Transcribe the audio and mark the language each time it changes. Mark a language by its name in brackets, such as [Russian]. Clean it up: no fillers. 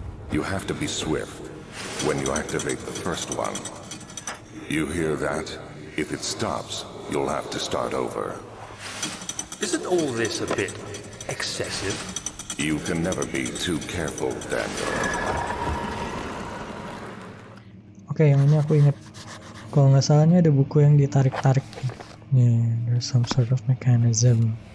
[English] You have to be swift when you activate the first one. You hear that? If it stops, you'll have to start over. Isn't all this a bit excessive? You can never be too careful, Daniel. [Indonesian] Okay, yang ini aku ingat. Kalau nggak salah, ini ada buku yang ditarik-tarik. [English] Yeah, there's some sort of mechanism.